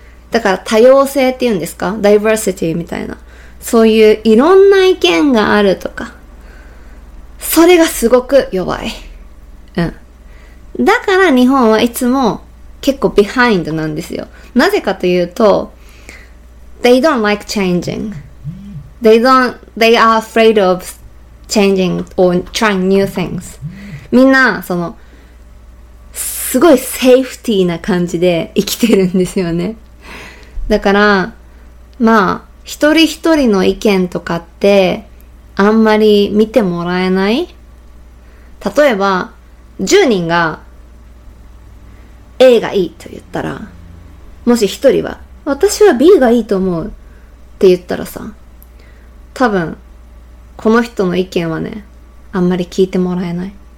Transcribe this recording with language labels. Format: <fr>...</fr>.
<ja>だから多様性っていうんですか?ダイバーシティみたいな。そういういろんな意見があるとか。それがすごく弱い。うん。だから日本はいつも結構ビハインドなんですよ。なぜかというと、</ja> <en>they don't like changing. They don't, they are afraid of changing or trying new things.</en> <ja>みんな、その、すごいセーフティーな感じで生きてるんですよね。だから、まあ、一人一人の意見とかって、あんまり見てもらえない。例えば10人が A がいいと言ったら、もし1人は私は B がいいと思うって言ったらさ、多分この人の意見はね、あんまり聞いてもらえない。</ja>